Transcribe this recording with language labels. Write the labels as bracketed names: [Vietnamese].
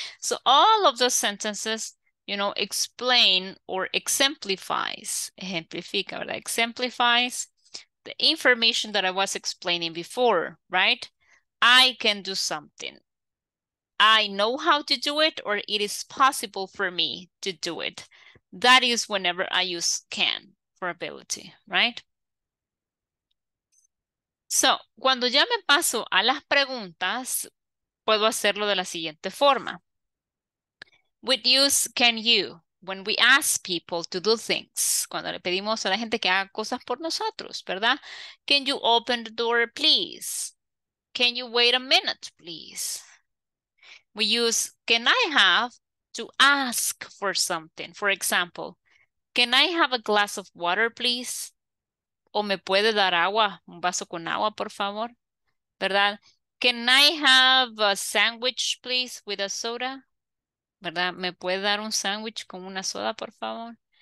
[English] So all of those sentences, you know, explain or exemplifies the information that I was explaining before, right? I can do something. I know how to do it, or it is possible for me to do it. That is whenever I use can for ability, right? [Spanish] So, cuando ya me paso a las preguntas, puedo hacerlo de la siguiente forma. [English] We use can you when we ask people to do things. [Spanish] Cuando le pedimos a la gente que haga cosas por nosotros, ¿verdad? [English] Can you open the door, please? Can you wait a minute, please? We use can I have to ask for something. For example, can I have a glass of water, please? [Spanish] O me puede dar agua, un vaso con agua, por favor, ¿verdad? [English] Can I have a sandwich, please, with a soda? [Spanish] ¿Verdad? ¿Me puede dar un sándwich con una soda, por favor?